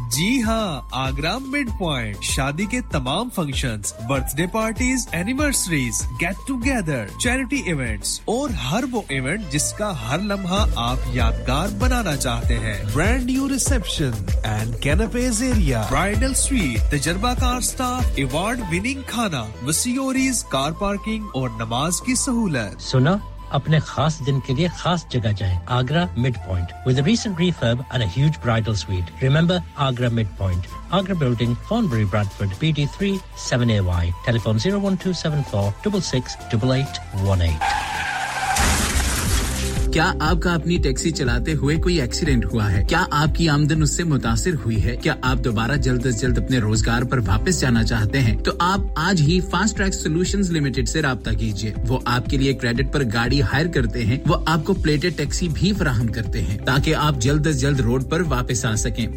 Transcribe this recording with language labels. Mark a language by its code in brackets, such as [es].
[hi] जी हां आगरा Midpoint शादी के तमाम functions birthday parties anniversaries get together charity events और हर वो इवेंट जिसका हर लम्हा आप यादगार बनाना चाहते हैं brand new reception and कैनपेज area bridal suite तजुर्बाकार staff award winning खाना वसीओरीज कार पार्किंग और नमाज की सहूलत सुना अपने खास दिन के लिए खास जगह जाएं [en] Agra Midpoint with a recent refurb and a huge bridal suite remember Agra Midpoint Agra building Farnbury Bradford BD3 7AY telephone 01274 668818 [hi] क्या आपका अपनी टैक्सी चलाते हुए कोई एक्सीडेंट हुआ है क्या आपकी आमदनी उससे मुतासिर हुई है क्या आप दोबारा जल्द से जल्द अपने रोजगार पर वापस जाना चाहते हैं तो आप आज ही फास्ट ट्रैक सॉल्यूशंस लिमिटेड से राबता कीजिए वो आपके लिए क्रेडिट पर गाड़ी हायर करते हैं वो आपको प्लेटेड टैक्सी भी प्रदान करते हैं ताकि आप जल्द से जल्द रोड पर वापस आ सकें